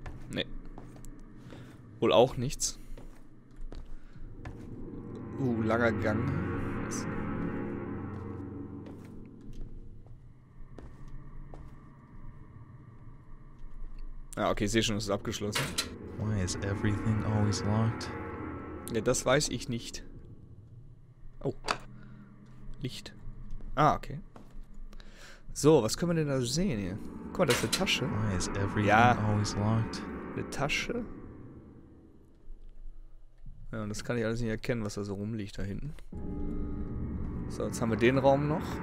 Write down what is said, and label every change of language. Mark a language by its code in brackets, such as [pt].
[de] Nee. Wohl auch nichts. Langer Gang. Ah, okay, ich sehe schon, es ist abgeschlossen. [en] Why is everything always locked? [de] Ja, das weiß ich nicht. Oh. Licht. Ah, okay. So, was können wir denn da sehen hier? Guck mal, das ist eine Tasche. [en] Why is everything always locked? [de] Eine Tasche? Ja, und das kann ich alles nicht erkennen, was da so rumliegt da hinten. So, jetzt haben wir den Raum noch.